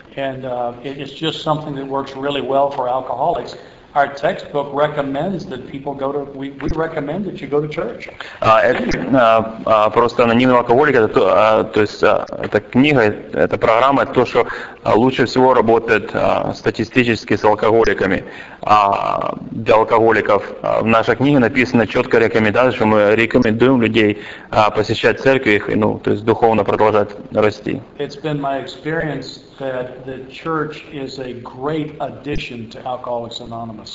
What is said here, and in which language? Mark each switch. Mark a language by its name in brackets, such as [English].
[English] And it's just something that works really well for alcoholics. Our textbook recommends that people go to. We recommend that you go to church. [Russian] Просто анонимный алкоголик это то, то есть эта книга, эта программа, это то, что лучше всего работает статистически с алкоголиками. Для алкоголиков в нашей книге написано четкая рекомендация, что мы рекомендуем людей посещать церковь, ну, то есть духовно продолжать расти. [English] It's been my experience that the church is a great addition to Alcoholics Anonymous.